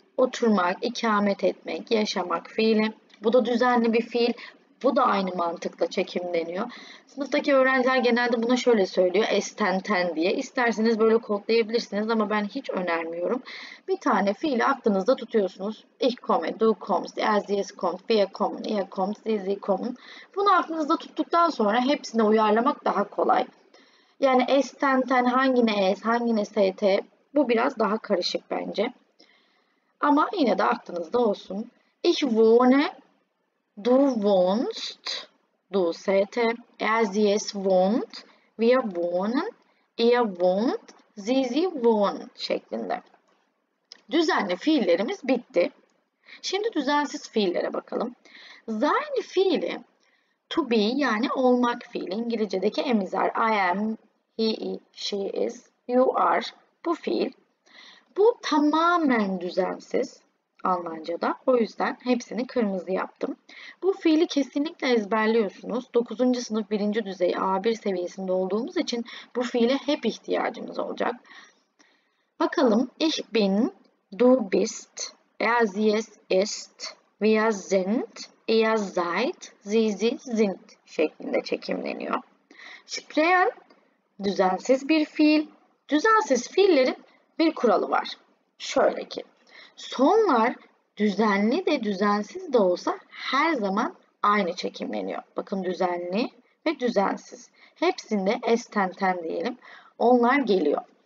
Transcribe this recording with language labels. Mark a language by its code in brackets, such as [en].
[tr] Oturmak, ikamet etmek, yaşamak fiili. Bu da düzenli bir fiil. Bu da aynı mantıkla çekimleniyor. Sınıftaki öğrenciler genelde buna şöyle söylüyor. Estenten diye. İsterseniz böyle kodlayabilirsiniz ama ben hiç önermiyorum. Bir tane fiil aklınızda tutuyorsunuz. [de] Ich komme, du kommst, er, sie, es kommt, wir kommen, ihr kommt, sie, sie kommen. [tr] Bunu aklınızda tuttuktan sonra hepsine uyarlamak daha kolay. Yani estenten hangine es, hangine st, bu biraz daha karışık bence. Ama yine de aklınızda olsun. [de] Ich wohne. wohnst, du sete, er sie es wohnt, wir wohnen, ihr wohnt, sie wohnt şeklinde. [tr] Düzenli fiillerimiz bitti. Şimdi düzensiz fiillere bakalım. Zamir fiili to be yani olmak fiili. İngilizce'deki emizar. [en] I am, he, she is, you are [tr] bu fiil. Bu tamamen düzensiz Almanca'da. O yüzden hepsini kırmızı yaptım. Bu fiili kesinlikle ezberliyorsunuz. 9. sınıf 1. düzey A1 seviyesinde olduğumuz için bu fiile hep ihtiyacımız olacak. Bakalım. [de] Ich bin, du bist, er sie es ist, wir sind, ihr seid, sie sind şeklinde çekimleniyor. [tr] Sprechen, düzensiz bir fiil. Düzensiz fiillerin bir kuralı var. Şöyle ki, sonlar düzenli de düzensiz de olsa her zaman aynı çekimleniyor. Bakın düzenli ve düzensiz. Hepsinde s ten ten diyelim. Onlar geliyor.